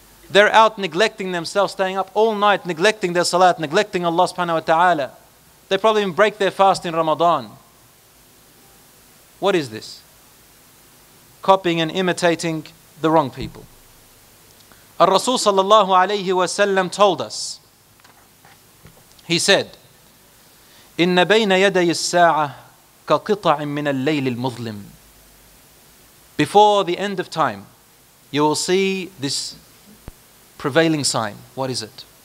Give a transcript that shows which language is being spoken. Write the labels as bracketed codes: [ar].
[en] They're out neglecting themselves, staying up all night, neglecting their salat, neglecting Allah subhanahu wa ta'ala. They probably even break their fast in Ramadan. What is this? Copying and imitating the wrong people. Al-Rasul sallallahu alayhi wa sallam told us. He said, [ar] إِنَّ بَيْنَ يَدَيِ السَّاعَةِ كَقِطَعٍ مِّنَ اللَّيْلِ الْمُظْلِمِ. [en] Before the end of time, you will see this prevailing sign. What is it?